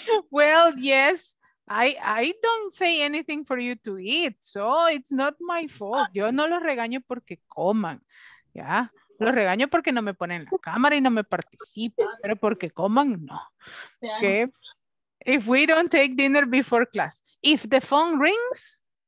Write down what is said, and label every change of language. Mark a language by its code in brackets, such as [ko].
[en] Well, yes, I don't say anything for you to eat, so it's not my fault. [es] Yo no los regaño porque coman, ¿ya? Los regaño porque no me ponen la cámara y no me participan, pero porque coman, no. [en] Okay. If we don't take dinner before class, if the phone rings,